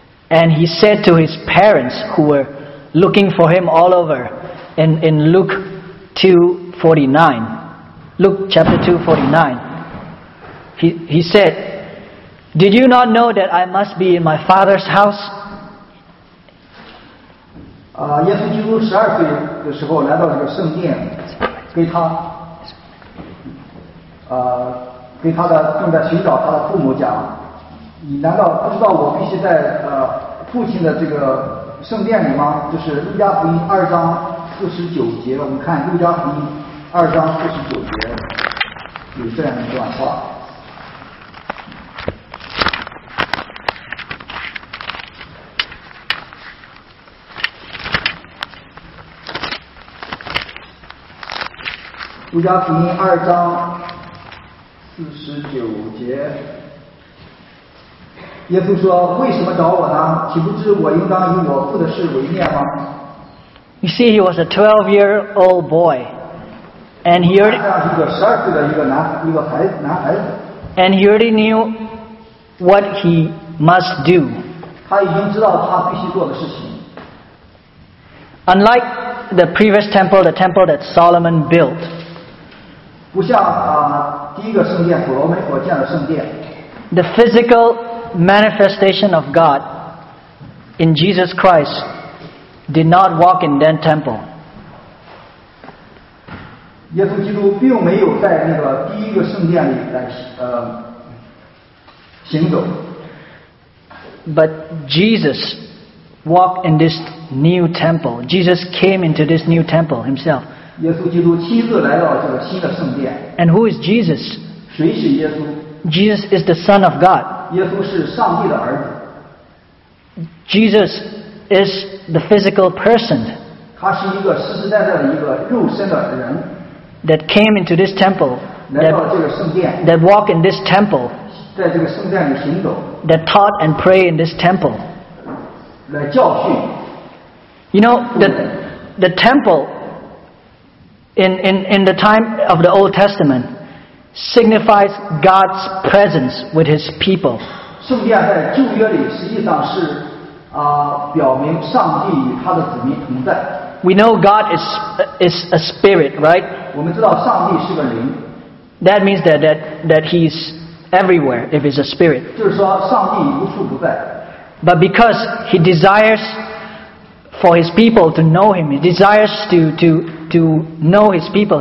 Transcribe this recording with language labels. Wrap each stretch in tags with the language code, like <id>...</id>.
<en>And he said to his parents who were looking for him all over in Luke chapter 2:49, he said, did you not know that I must be in my father's house?</en> <zh>耶稣基督十二岁的时候来到这个圣殿，给他的正在寻找他的父母讲，你难道不知道我必须在父亲的这个圣殿里吗？就是路加福音二章四十九节，我们看路加福音二章四十九节有这样一段话。路加福音二章四十九节，耶稣说，为什么找我呢？岂不知我应当以我父的事为念吗？</zh> <en>You see, he was a 12-year-old boy. And he already,</en> <zh>一个十二岁的一个男孩子。</zh> <en>And he already knew what he must do.</en> <zh>他已经知道他必须做的事情。</zh> <en>Unlike the previous temple, the temple that Solomon built.</en> <zh>不像第一个圣殿，所罗门所建的圣殿。</zh> <en>The physical manifestation of God in Jesus Christ did not walk in that temple.</en> <zh>耶稣基督并没有在那个第一个圣殿里来行走。</zh> <en>But Jesus walked in this new temple. Jesus came into this new temple himself.</en> <zh>耶稣基督亲自来到这个新的圣殿。</zh> <en>And who is Jesus?</en> <zh>谁是耶稣？</zh> <en>Jesus is the Son of God.</en> <zh>耶稣是上帝的儿子。</zh> <en>Jesus is the physical person.</en> <zh>他是一个实实在在的一个肉身的人。</zh> <en>That came into this temple.</en> <zh>来到这个圣殿。</zh> <en>That walked in this temple.</en> <zh>在这个圣殿里行走。</zh> <en>That taught and prayed in this temple.</en> <zh>来教训。</zh> <en>You know, the temple in the time of the Old Testament signifies God's presence with his people.</en> <zh>圣殿在旧约里实际上是表明上帝与他的子民同在。</zh> <en>We know God is a spirit, right?</en> <zh>我们知道上帝是个灵。</zh> <en>That means that he's everywhere if he's a spirit.</en> <zh>就是说上帝无处不在。</zh> <en>But because he desires for his people to know him. He desires to know his people.</en>